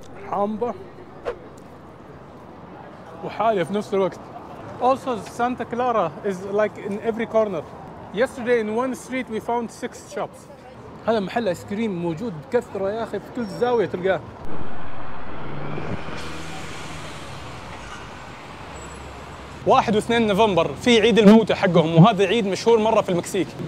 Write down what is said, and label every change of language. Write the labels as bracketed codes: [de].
[ar] حامضة وحالية في نفس الوقت. [en] Also, Santa Clara is like in every corner. Yesterday, in one street, we found 6 shops. [ar] هذا محل آيس كريم موجود بكثرة يا أخي، في كل زاوية تلقاه. واحد واثنين نوفمبر في عيد الموتى حقهم، وهذا عيد مشهور مرة في المكسيك.